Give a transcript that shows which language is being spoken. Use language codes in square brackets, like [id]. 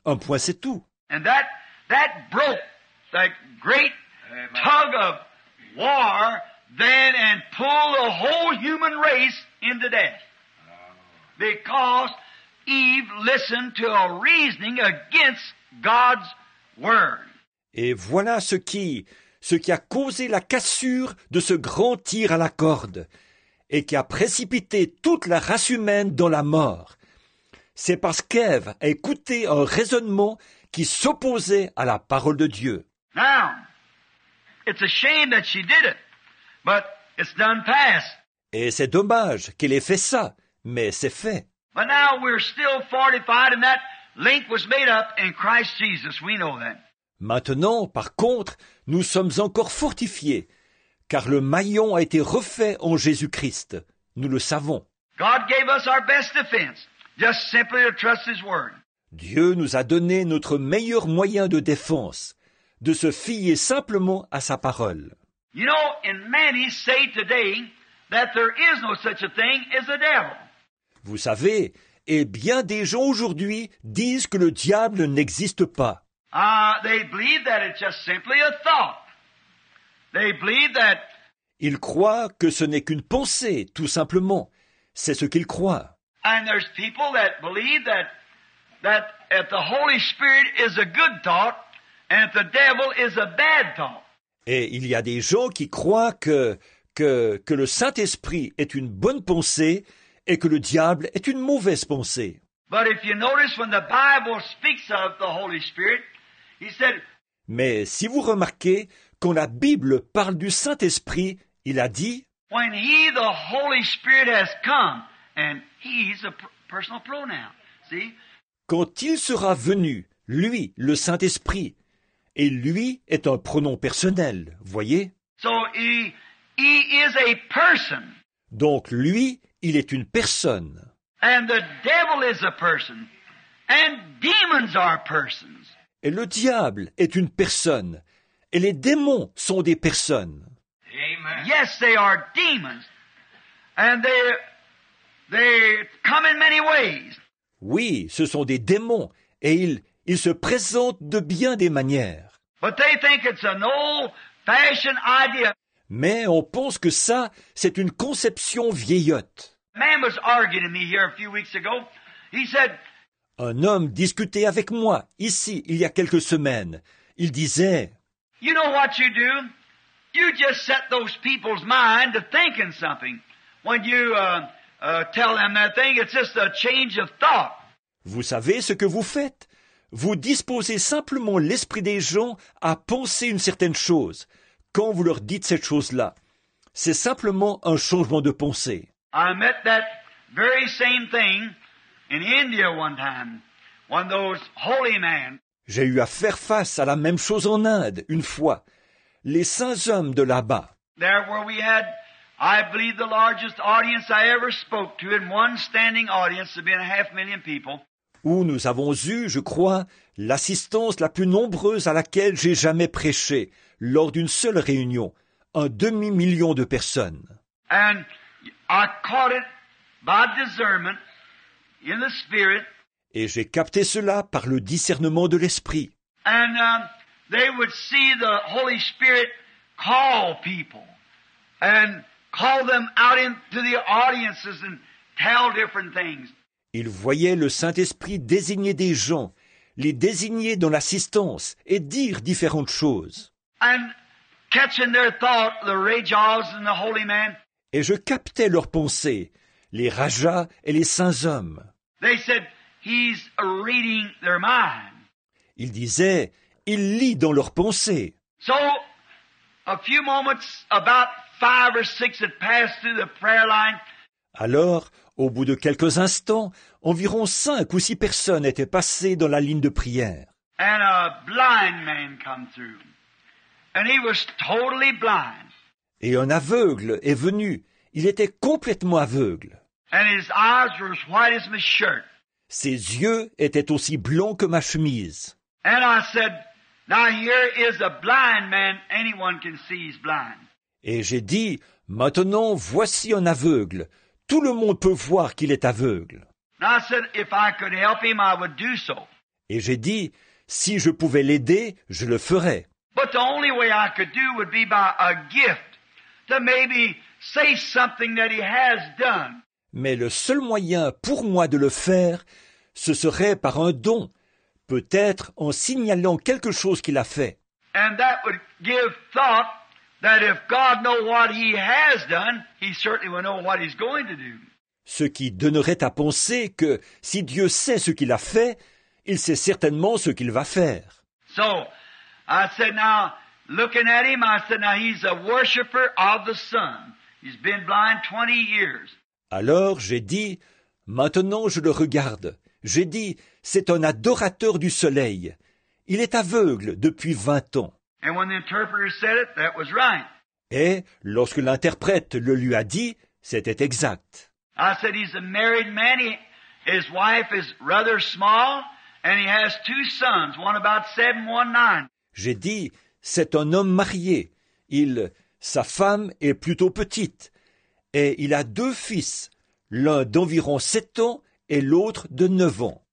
[fr] Un point, c'est tout. [en] And that broke the great tug of war then and pulled the whole human race into death. Because Eve listened to a reasoning against God's word. [fr] Et voilà ce qui a causé la cassure de ce grand tir à la corde et qui a précipité toute la race humaine dans la mort. C'est parce qu'Ève a écouté un raisonnement qui s'opposait à la parole de Dieu. [en] Now, it's a shame that she did it, but it's done past. [fr] Et c'est dommage qu'elle ait fait ça, mais c'est fait. [en] But now we're still fortified and that link was made up in Christ Jesus, we know that. [fr] Maintenant, par contre, nous sommes encore fortifiés, car le maillon a été refait en Jésus-Christ. Nous le savons. [en] God gave us our best defense, just simply to trust His word. [fr] Dieu nous a donné notre meilleur moyen de défense, de se fier simplement à sa parole. [en] You know, and many say today that there is no such a thing as a devil. [fr] Vous savez, et bien des gens aujourd'hui disent que le diable n'existe pas. [en] They believe that it's just simply a thought. They believe that. [fr] Ils croient que ce n'est qu'une pensée, tout simplement. C'est ce qu'ils croient. [en] And there's people that believe that if the Holy Spirit is a good thought, and if the devil is a bad thought. [fr] Et il y a des gens qui croient que le Saint-Esprit est une bonne pensée et que le diable est une mauvaise pensée. [en] But if you notice when the Bible speaks of the Holy Spirit, he said. [fr] Mais si vous remarquez, quand la Bible parle du Saint-Esprit, il a dit. [en] When he, the Holy Spirit, has come, and he's a personal pronoun. See? [fr] Quand il sera venu, lui, le Saint-Esprit, et lui est un pronom personnel, voyez? [en] So he is a person. [fr] Donc lui, il est une personne. [en] And the devil is a person, and demons are persons. [fr] Et le diable est une personne, et les démons sont des personnes. Amen. [en] Yes, they are demons, and they come in many ways. [fr] Oui, ce sont des démons, et ils se présentent de bien des manières. [en] But they think it's an old-fashioned idea. [fr] Mais on pense que ça, c'est une conception vieillotte. [en] Man was arguing with me here a few weeks ago. He said, [fr] un homme discutait avec moi ici il y a quelques semaines. Il disait, [en] you know what you do? You just set those people's mind to thinking something. When you tell them that thing, it's just a change of thought. [fr] Vous savez ce que vous faites? Vous disposez simplement l'esprit des gens à penser une certaine chose quand vous leur dites cette chose-là. C'est simplement un changement de pensée. [en] I met that very same thing in India one time, one of those holy men. [fr] J'ai eu à faire face à la même chose en Inde une fois, les saints hommes de là-bas. [en] There where we had, I believe, the largest audience I ever spoke to in one standing audience of being 500,000 people. [fr] Où nous avons eu, je crois, l'assistance la plus nombreuse à laquelle j'ai jamais prêché lors d'une seule réunion, un 500,000 de personnes. [en] And I caught it by discernment in the spirit. [fr] Et j'ai capté cela par le discernement de l'esprit. [en] And they would see the Holy Spirit call people and call them out into the audiences and tell different things. [fr] Ils voyaient le Saint-Esprit désigner des gens, les désigner dans l'assistance et dire différentes choses. [en] And catching their thought, the rajahs and the holy men. [fr] Et je captais leurs pensées, les rajas et les saints hommes. [en] They said, he's reading their mind. [fr] Ils disaient, il lit dans leurs pensées. [en] So, a few moments, about five or six had passed through the prayer line. [fr] Alors, au bout de quelques instants, environ cinq ou six personnes étaient passées dans la ligne de prière. [en] And a blind man came through. And he was totally blind. [fr] Et un aveugle est venu. Il était complètement aveugle. [en] And his eyes were as white as my shirt. [fr] Ses yeux étaient aussi blancs que ma chemise. [en] And I said, Now here is a blind man. Anyone can see he's blind. [fr] Et j'ai dit, maintenant voici un aveugle. Tout le monde peut voir qu'il est aveugle. [en] Now I said, if I could help him, I would do so. [fr] Et j'ai dit, si je pouvais l'aider, je le ferais. [en] But the only way I could do would be by a gift to maybe say something that he has done. [fr] Mais le seul moyen pour moi de le faire, ce serait par un don, peut-être en signalant quelque chose qu'il a fait. [en] And that would give thought that if God knows what he has done, he certainly will know what he's going to do. [fr] Ce qui donnerait à penser que si Dieu sait ce qu'il a fait, il sait certainement ce qu'il va faire. [en] So, I said now, looking at him, I said now he's a worshipper of the sun. He's been blind 20 years. [fr] Alors j'ai dit, maintenant je le regarde. J'ai dit, c'est un adorateur du soleil. Il est aveugle depuis 20 ans. [en] And when the interpreter said it, that was right. [fr] Et lorsque l'interprète le lui a dit, c'était exact. [en] I said he's a married man. His wife is rather small, and he has two sons, one about 7, one 9. [fr] J'ai dit, c'est un homme marié. Sa femme est plutôt petite. Et il a deux fils, l'un d'environ 7 ans et l'autre de 9 ans.